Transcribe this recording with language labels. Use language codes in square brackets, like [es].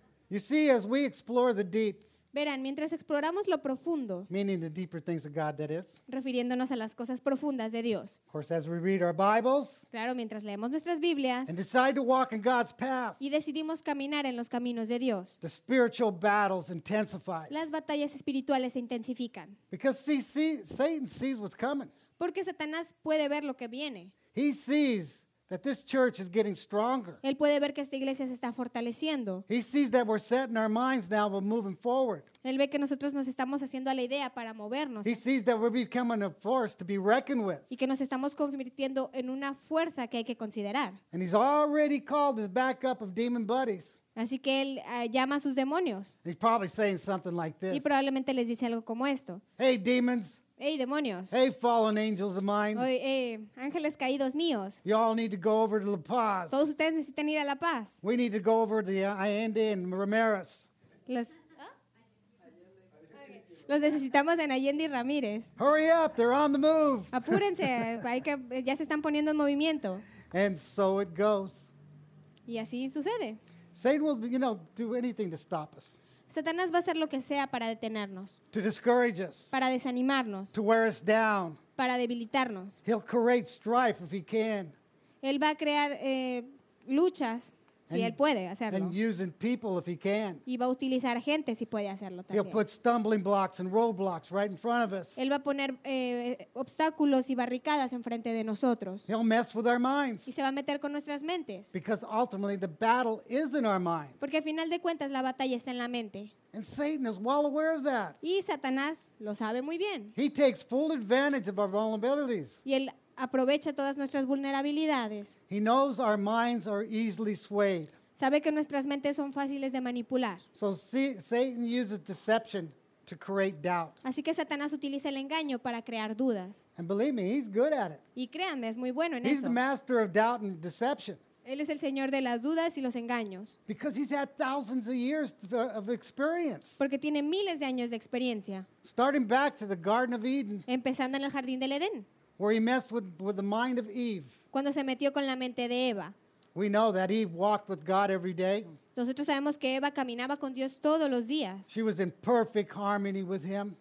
[en] You see, as we explore the deep. [es] Verán, mientras exploramos lo profundo, [en] meaning the deeper things of God, that is, [es] refiriéndonos a las cosas profundas de Dios. [en] Of course, as we read our Bibles, [es] claro, mientras leemos nuestras Biblias, [en] and decide to walk in God's path, [es] y decidimos caminar en los caminos de Dios, [en] the spiritual battles intensify. [es] Las batallas espirituales se intensifican. [en] Because see, Satan sees what's coming. [es] Porque Satanás puede ver lo que viene. [en] He sees that this church is getting stronger. [es] Él puede ver que esta iglesia se está fortaleciendo. [en] He sees that we're setting our minds now, but moving forward. [es] Él ve que nosotros nos estamos haciendo a la idea para movernos. [en] He sees that we're becoming a force to be reckoned with. [es] Y que nos estamos convirtiendo en una fuerza que hay que considerar. [en] And he's already called his backup of demon buddies. [es] Así que él llama a sus demonios. [en] He's probably saying something like this. [es] Y probablemente les dice algo como esto. [en] Hey, demons. [es] Hey, demonios. [en] Hey, fallen angels of mine. [es] Oy, hey, ángeles caídos míos. [en] You all need to go over to La Paz. [es] Todos ustedes necesitan ir a La Paz. [en] We need to go over to Allende and Ramirez. [es] Los necesitamos en Allende y Ramírez. [en] Hurry up, they're on the move. [es] Apúrense, ya se están poniendo en movimiento. [en] And so it goes. [es] Y así sucede. [en] Satan will, you know, do anything to stop us. [es] Satanás va a hacer lo que sea para detenernos. [en] To discourage us. [es] Para desanimarnos. [en] To wear us down. [es] Para debilitarnos. [en] He'll create strife if he can. [es] Él va a crear luchas si él puede hacerlo. [en] And using people if he can. [es] Y va a utilizar gente si puede hacerlo también. [en] He'll put stumbling blocks and roadblocks right in front of us. [es] Él va a poner obstáculos y barricadas enfrente de nosotros. [en] He'll mess with our minds. [es] Y se va a meter con nuestras mentes. [en] Because ultimately the battle is in our mind. [es] Porque al final de cuentas la batalla está en la mente. [en] And Satan is well aware of that. [es] Y Satanás lo sabe muy bien. [en] He takes full advantage of our vulnerabilities. [es] Y él aprovecha todas nuestras vulnerabilidades. [en] He knows our minds are easily swayed. [es] Sabe que nuestras mentes son fáciles de manipular. [en] So Satan uses deception to create doubt. [es] Así que Satanás utiliza el engaño para crear dudas. [en] And believe me, he's good at it. [es] Y créanme, es muy bueno en [en] he's [es] eso. [en] He's the master of doubt and deception. [es] Él es el señor de las dudas y los engaños. [en] Because he's had thousands of years of experience. [es] Porque tiene miles de años de experiencia. [en] Starting back to the Garden of Eden. [es] Empezando en el jardín del Edén. [en] Where he messed with the mind of Eve. [es] Cuando se metió con la mente de Eva. [en] We know that Eve walked with God every day. [es] Nosotros sabemos que Eva caminaba con Dios todos los días. [en] She was in perfect harmony with him.